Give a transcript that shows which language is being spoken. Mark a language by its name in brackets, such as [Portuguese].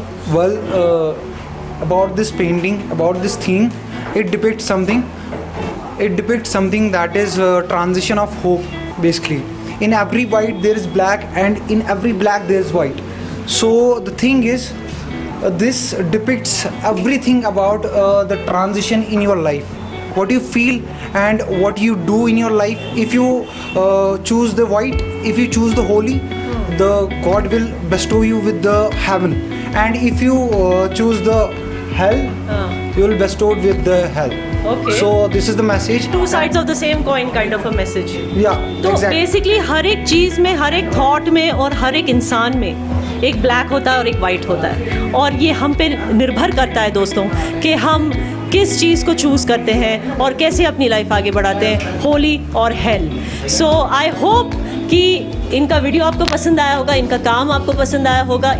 [English] Well, about this painting, about this theme, it depict something that is transition of hope. Basically in every white there is black, and in every black there is white. So the thing is, this depicts everything about the transition in your life. What you feel and what you do in your life, if you choose the white, if you choose the holy, the God will bestow you with the heaven. And if you choose the hell, you will be bestowed with the hell. Okay. So this is the message. Two sides of the same coin kind of a message. Yeah. So exactly. [Hindi] Basically, हर एक चीज में, हर एक thought में और हर एक इंसान में एक ब्लैक होता है और एक वाइट होता है. और ये हम पे निर्भर करता है दोस्तों कि हम किस चीज़ को चूज़ करते हैं और कैसे अपनी लाइफ आगे बढ़ाते हैं, होली और हेल. [English] so I hope [Hindi] कि इनका वीडियो आपको पसंद आया होगा, इनका काम आपको पसंद आया होगा.